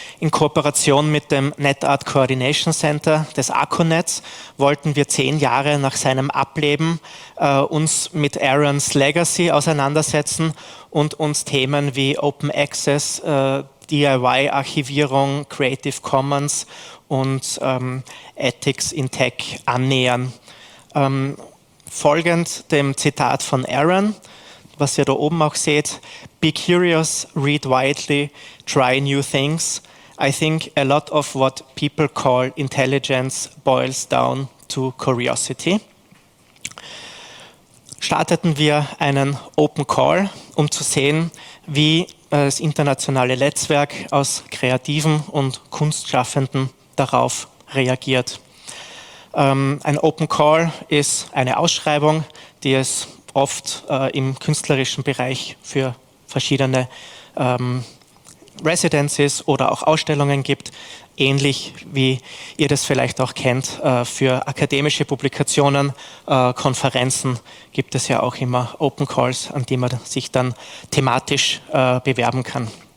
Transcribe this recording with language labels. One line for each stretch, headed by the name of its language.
German: In Kooperation mit dem NetArt Coordination Center des AkkuNets wollten wir 10 Jahre nach seinem Ableben uns mit Aarons Legacy auseinandersetzen und uns Themen wie Open Access, DIY-Archivierung, Creative Commons und Ethics in Tech annähern. Folgend dem Zitat von Aaron, was ihr da oben auch seht,
English: be curious, read widely, try new things. I think a lot of what people call intelligence boils down to curiosity.
German: Starteten wir einen Open Call, um zu sehen, wie das internationale Netzwerk aus Kreativen und Kunstschaffenden darauf reagiert. Ein Open Call ist eine Ausschreibung, die es oft im künstlerischen Bereich für verschiedene Residences oder auch Ausstellungen gibt, ähnlich wie ihr das vielleicht auch kennt für akademische Publikationen, Konferenzen gibt es ja auch immer Open Calls, an die man sich dann thematisch bewerben kann.